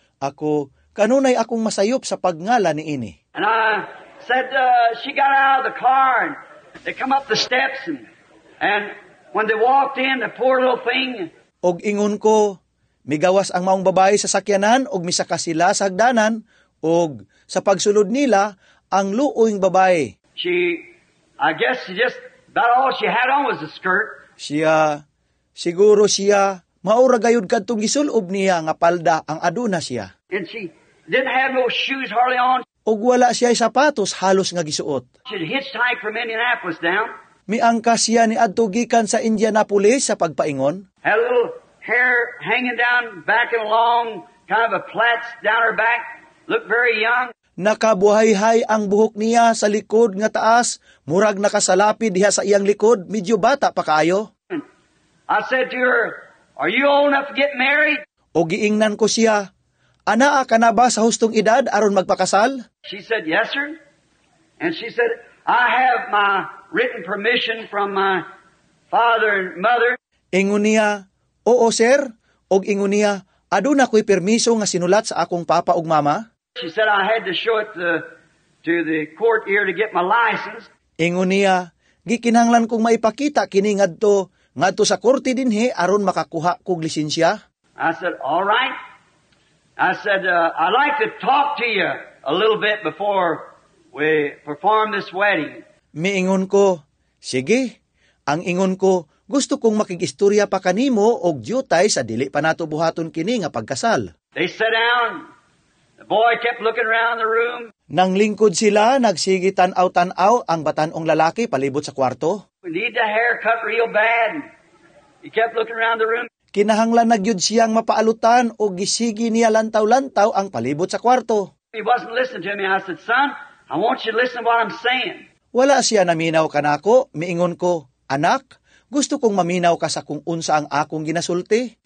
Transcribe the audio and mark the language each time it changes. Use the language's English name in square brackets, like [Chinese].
[Cebuano] Ako kanunay akong masayop sa pagngala ni ini. [English] And I said she got out of the car and they come up the steps and when they walked in, the poor little thing. [Cebuano] Og ingon ko, migawas ang maong babae sa sakyanan og misaka sila sa hagdanan og sa pagsulod nila ang luoing babae. Siya, siguro siya, maura gayud kadtong gisulob niya nga palda ang aduna siya. [English] And she didn't have no shoes hardly on. [Cebuano] Og wala siya ay sapatos halos nga gisuot. [English] She hitchhiked from Indianapolis down. [Cebuano] Miangka siya ni adto gikan sa Indianapolis sa pagpaingon. [English] Had a little hair hanging down back and long, kind of a plaits down her back, looked very young. [Cebuano] Nakabuhay-hay ang buhok niya sa likod nga taas, murag nakasalapid diha sa iyang likod, medyo bata pa kaayo. [English] I said to her, are you old enough to get married? [Cebuano] O giingnan ko siya, anaa ka na ba sa hustong edad aron magpakasal? [English] She said, yes sir. And she said, I have my written permission from my father and mother. [Cebuano] Ingon niya, oo sir. Og ingon niya, aduna ko'y permiso nga sinulat sa akong papa ug mama. [English] She said I had to show it to the court here to get my license. [Cebuano] Ingon niya, gikinanglan kong maipakita kini ngadto sa korte dinhi aron makakuha kog lisensya. [English] I said, all right. I said, I'd like to talk to you a little bit before we perform this wedding. [Cebuano] Miingon ko, sige. Ang ingon ko, gusto kong makigistorya pa kanimo og dyutay sa dili pa nato buhaton kini nga pagkasal. [English] They sat down. The boy kept looking around the room. [Cebuano] Nang lingkod sila, nagsigi tanaw-tanaw ang batanong lalaki palibot sa kwarto. [English] We need the hair cut real bad. He kept looking around the room. [Cebuano] Kinahanglan nagyud siyang mapaalutan og gisigi niya lantaw-lantaw ang palibot sa kwarto. [English] He wasn't listening to me. I said, son, I want you to listen to what I'm saying. [Cebuano] Wala siya naminaw kanako, miingon ko, anak, gusto kong maminaw ka sa kung unsa ang akong ginasulti.